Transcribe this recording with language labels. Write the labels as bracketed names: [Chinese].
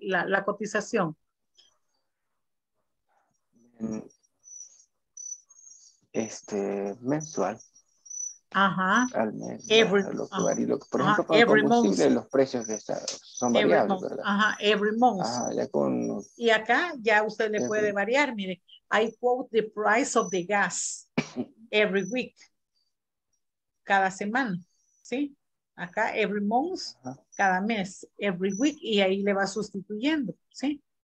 [Spanish] La cotización. Este, mensual. Ajá. Al mes. Por ejemplo, los precios que son variables, ¿verdad? [English] Ajá, every month. [Spanish] Ajá, ya con. Y acá ya usted le puede variar. Mire, [English] I quote the price of the gas every week. [Spanish] Cada semana, ¿sí? Acá, [English] every month, [Spanish] uh-huh. Cada mes, [English] every week, [Spanish] y ahí le va sustituyendo, ¿sí?